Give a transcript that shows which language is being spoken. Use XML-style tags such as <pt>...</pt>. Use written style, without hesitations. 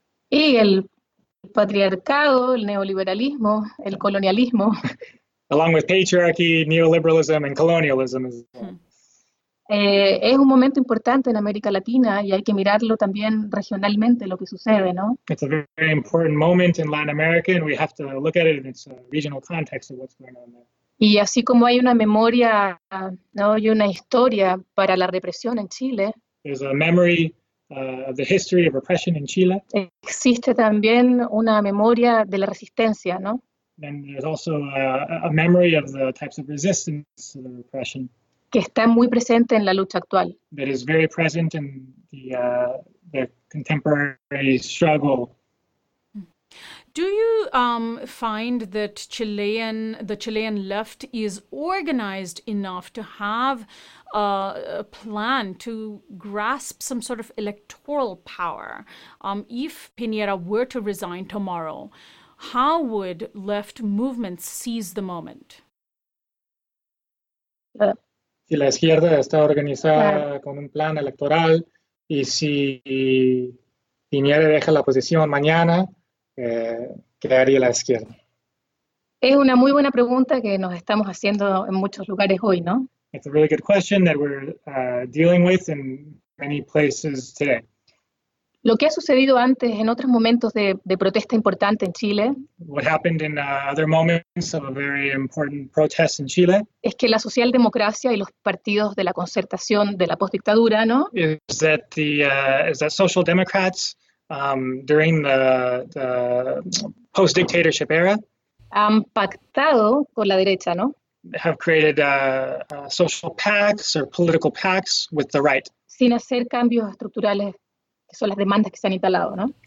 <es>Y el patriarcado, el neoliberalismo, el colonialismo.</es> <en>Along with patriarchy, neoliberalism and colonialism.</en> <es>Es un momento importante en América Latina y hay que mirarlo también regionalmente, lo que sucede, ¿no?</es> <en>It's a very important moment in Latin America and we have to look at it in its regional context of what's going on there.</en> <es>Y así como hay una memoria, ¿no?, y una historia para la represión en Chile.</es> <en>There's a memory of the history of repression in Chile.</en> <es>Existe también una memoria de la resistencia, ¿no?</es> <en>And there's also a memory of the types of resistance to the repression.</en> <es>Que está muy presente en la lucha actual.</es> <en>That is very present in the contemporary struggle. Do you find that the Chilean left is organized enough to have a plan to grasp some sort of electoral power? If Piñera were to resign tomorrow, how would left movements seize the moment?</en> <es>Si la izquierda está organizada con un plan electoral y si Piñera deja la posición mañana, ¿qué haría la izquierda? Es una muy buena pregunta que nos estamos haciendo en muchos lugares hoy, ¿no?</es> <en>It's a really good question that we're dealing with in many places today.</en> <es>Lo que ha sucedido antes en otros momentos de protesta importante en Chile,</es> <en>what happened in other moments of a very important protest in Chile,</en> <es>es que la socialdemocracia y los partidos de la concertación de la postdictadura, ¿no?</es> <en>Is that social democrats during the post-dictatorship era</en> <es>han pactado con la derecha, ¿no?</es> <en>Have created social pacts or political pacts with the right.</en> <es>Sin hacer cambios estructurales, que son las demandas que se han instalado, ¿no?</es>